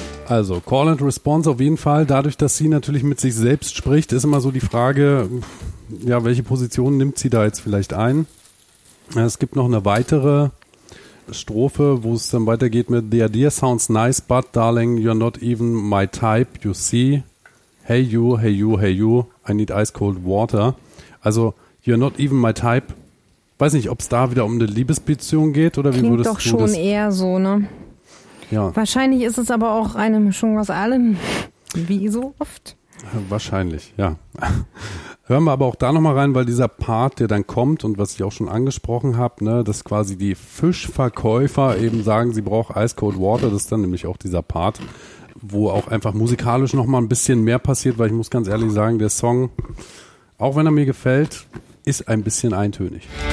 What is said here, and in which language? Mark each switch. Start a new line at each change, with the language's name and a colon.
German: Also, Call and Response auf jeden Fall. Dadurch, dass sie natürlich mit sich selbst spricht, ist immer so die Frage, ja, welche Position nimmt sie da jetzt vielleicht ein? Es gibt noch eine weitere Strophe, wo es dann weitergeht mit
English: The idea sounds nice, but darling, you're not even my type, you see. Hey you, hey you, hey you, I need ice cold water. Also, you're not even my type.
German: Weiß nicht, ob es da wieder um eine Liebesbeziehung geht oder klingt wie würdest du das? Klingt doch schon eher so, ne? Ja. Wahrscheinlich ist es aber auch eine Mischung aus allem, wie so oft. Wahrscheinlich, ja. Hören wir aber auch da nochmal rein, weil dieser Part, der dann kommt und was ich auch schon angesprochen habe, ne, dass quasi die Fischverkäufer eben sagen, sie braucht Ice Cold Water, das ist dann nämlich auch dieser Part, wo auch einfach musikalisch nochmal ein bisschen mehr passiert, weil ich muss ganz ehrlich sagen, der Song, auch wenn er mir gefällt, ist ein bisschen eintönig.